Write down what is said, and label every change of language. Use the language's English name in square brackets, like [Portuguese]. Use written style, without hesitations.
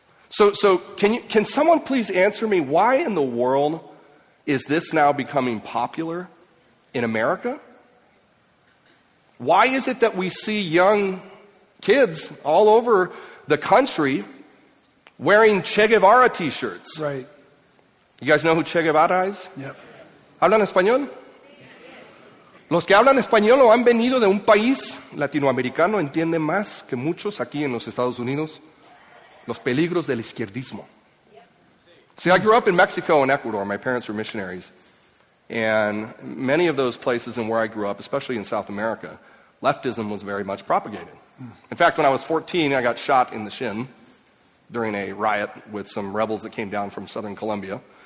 [English] So can someone please answer me, why in the world is this now becoming popular in America? Why is it that we see young kids all over the country wearing Che Guevara t-shirts? Right. You guys know who Che Guevara is? Yep. [Spanish] ¿Hablan español? Los que hablan español o han venido de un país latinoamericano entienden más que muchos aquí en los Estados Unidos los peligros del izquierdismo. [English] See, I grew up in Mexico and Ecuador. My parents were missionaries. And many of those places and where I grew up, especially in South America, leftism was very much propagated. In fact, when I was 14, I got shot in the shin during a riot with some rebels that came down from southern Colombia.